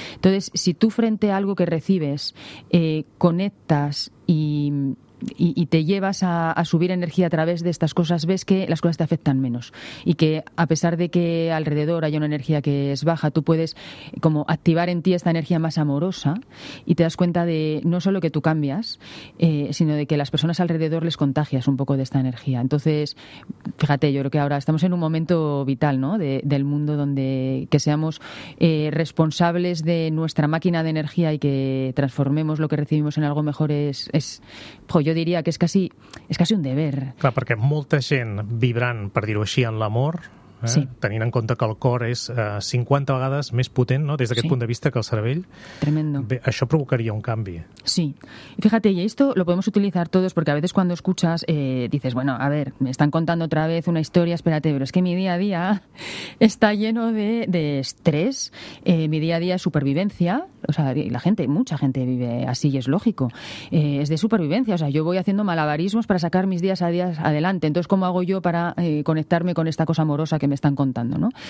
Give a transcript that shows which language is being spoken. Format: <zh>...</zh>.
<es>Entonces, si tú frente a algo que recibes conectas y te llevas a subir energía a través de estas cosas, ves que las cosas te afectan menos y que, a pesar de que alrededor haya una energía que es baja, tú puedes como activar en ti esta energía más amorosa y te das cuenta de no solo que tú cambias, sino de que las personas alrededor les contagias un poco de esta energía. Entonces, fíjate, yo creo que ahora estamos en un momento vital, ¿no?, del mundo, donde que seamos responsables de nuestra máquina de energía y que transformemos lo que recibimos en algo mejor</es> <ca>jo diria que és</ca> <es>casi un deber.</es> <ca>Clar, perquè molta gent vibrant, per dir-ho així, en l'amor, sí, tenint en compte que el cor és 50 vegades més potent, no?, des d'aquest punt de vista, que el cervell.</ca> <es>Tremendo.</es> <ca>Bé, això provocaria un canvi. Sí.</ca> <es>Fíjate, y esto lo podemos utilizar todos, porque a veces cuando escuchas dices, bueno, a ver, me están contando otra vez una historia, espérate, pero es que mi día a día está lleno de estrés, mi día a día es supervivencia, o sea, mucha gente vive así y es lógico, es de supervivencia, o sea, yo voy haciendo malabarismos para sacar mis días a días adelante, entonces, ¿cómo hago yo para conectarme con esta cosa amorosa que me están contando, ¿no?</es>